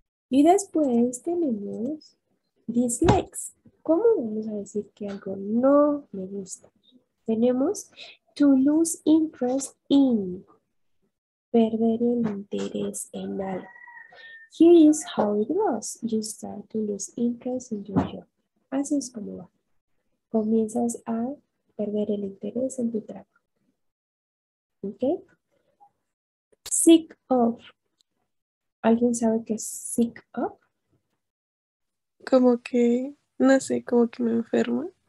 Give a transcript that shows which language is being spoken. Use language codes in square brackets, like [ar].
[es] Y después tenemos dislikes. ¿Cómo vamos a decir que algo no me gusta? Tenemos [en] to lose interest in, [es] perder el interés en algo. [en] Here is how it goes. You start to lose interest in your job. [es] Así es como va. Comienzas a perder el interés en tu trabajo. ¿Ok? Sick of. ¿Alguien sabe qué es sick of? Como que, no sé, como que me enfermo.